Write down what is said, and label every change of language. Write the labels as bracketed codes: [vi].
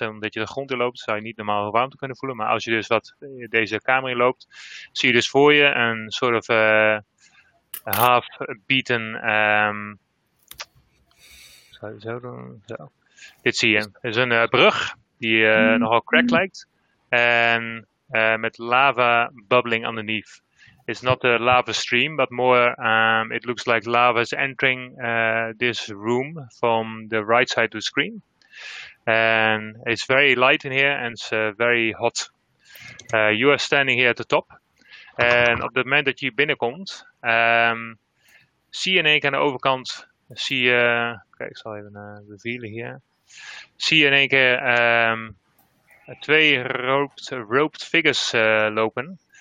[nl] Omdat je de grond in loopt, zou je niet normaal warmte kunnen voelen. Maar als je dus wat deze kamer in loopt, zie je dus voor je een soort of half-beaten... zou je zo doen? Zo. Dit zie je. Het is een brug die nogal cracked lijkt. En met lava [en] bubbling underneath. It's not a lava stream, but more it looks like lava is entering this room from the right side of the screen. And it's very light in here and it's very hot. You are standing here at the top. [nl] And op het moment dat je binnenkomt, zie je ineens aan de overkant, zie je, kijk, ik zal even revealen hier. Zie je ineens twee roped figures lopen.